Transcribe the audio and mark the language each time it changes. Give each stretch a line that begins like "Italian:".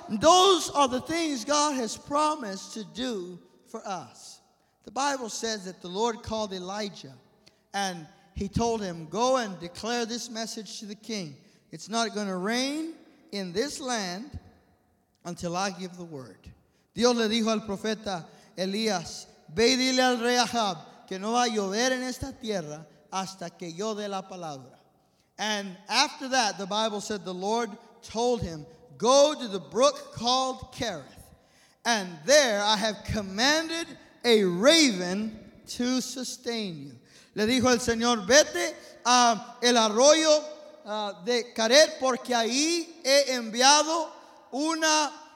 English: Those are the things God has promised to do for us. The Bible says that the Lord called Elijah, and He told him, go and declare this message to the king. It's not going to rain in this land until I give the word.
Spanish: Dios le dijo al profeta Elías, ve y dile al rey Ahab, que no va a llover en esta tierra hasta que yo dé la palabra.
English: And after that, the Bible said the Lord told him, go to the brook called Kereth, and there I have commanded a raven to sustain you.
Spanish: Le dijo el Señor, vete a el arroyo de Kereth, porque ahí he enviado una...